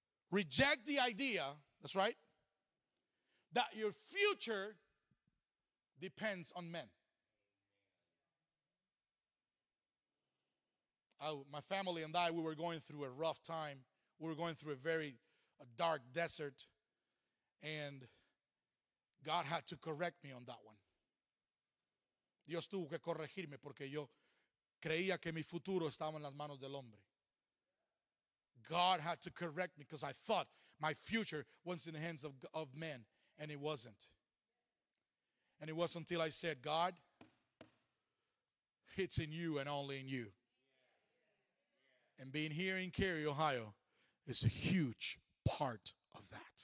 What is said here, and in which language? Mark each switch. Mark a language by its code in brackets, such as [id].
[en] Reject the idea, that's right, that your future depends on men. My family and I, we were going through a rough time. We were going through a very dark desert. And God had to correct me on that one. [es] Dios tuvo que corregirme porque yo creía que mi futuro estaba en las manos del hombre. [en] God had to correct me because I thought my future was in the hands of men. And it wasn't. And it wasn't until I said, God, It's in you and only in you. And being here in Cary, Ohio, is a huge part of that.